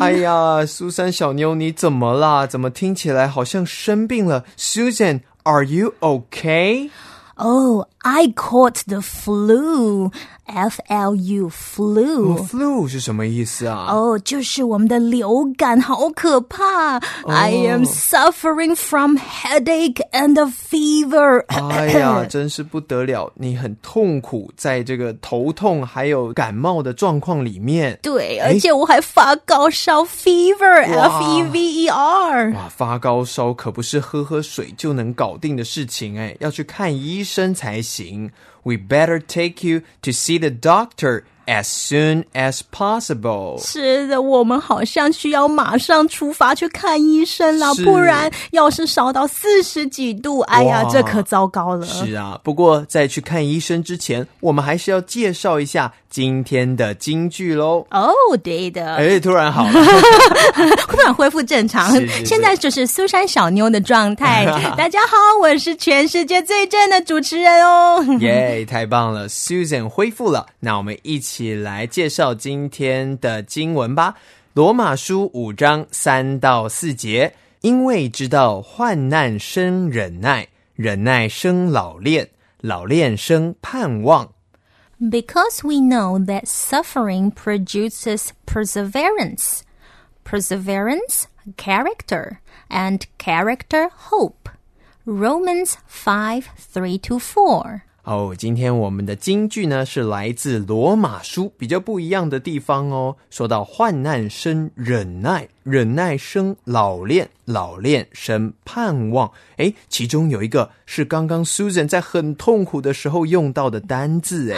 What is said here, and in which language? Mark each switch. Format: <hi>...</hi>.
<zh>哎呀，苏珊小妞你怎么啦？怎么听起来好像生病了？</zh> <en>Susan， are you okay？ Oh， I caught the flu. F-L-U, flu.</en> <zh>Flu 是什么意思啊？哦，就是我们的流感，好可怕。</zh> <en>I am suffering from headache and a fever.</en> <zh>哎呀，真是不得了，你很痛苦，在这个头痛还有感冒的状况里面。对，而且我还发高烧 fever, F-E-V-E-R。哇，发高烧可不是喝喝水就能搞定的事情，哎，要去看医生才行。</zh> <en>We better take you to see the doctor as soon as possible.</en> <zh>是的，我们好像需要马上出发去看医生了，不然要是烧到四十几度，哎呀，这可糟糕了。是啊，不过在去看医生之前，我们还是要介绍一下今天的金句咯。哦，对的。哎，突然好了。突然恢复正常。是是是，现在就是苏珊小妞的状态。大家好，我是全世界最正的主持人哦。耶、yeah, 太棒了， Susan 恢复了。那我们一起来介绍今天的经文吧。罗马书五章三到四节。因为知道患难生忍耐，忍耐生老练，老练生盼望。</zh> <en>Because we know that suffering produces perseverance, perseverance, character, and character, hope. Romans 5:3-4.</en> <zh>哦，今天我们的金句呢，是来自罗马书，比较不一样的地方哦。说到患难生忍耐，忍耐生老练，老练生盼望。诶，其中有一个是刚刚 Susan 在很痛苦的时候用到的单字。</zh>